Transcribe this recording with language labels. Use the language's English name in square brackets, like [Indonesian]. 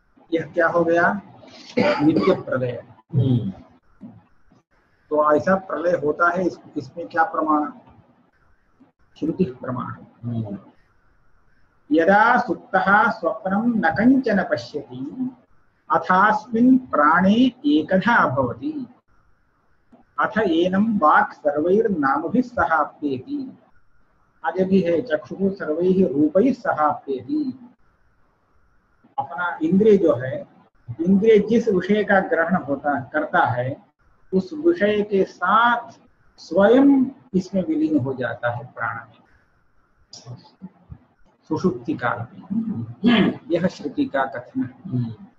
[Hindi] यह क्या हो गया नित्य प्रलय, तो ऐसा प्रलय होता है इसमें क्या प्रमाण? श्रुति प्रमाण। [Sanskrit] यदा सुप्तः स्वप्नं न कञ्चन पश्यति अथास्मिन् प्राणे एकधा भवति अथ एनं वाक् सर्वैर् नामभिः सह आप्येति। [Hindi] आगे भी है [Sanskrit] चक्षुः सर्वैः रूपैः सह आप्येति। [Hindi] अपना इंद्रिय जो है, इंद्रिय जिस विषय का ग्रहण होता करता है उस विषय के साथ स्वयं इसमें विलीन हो जाता है प्राण में सुषुप्ति काल में, यह श्रुति का कथन है।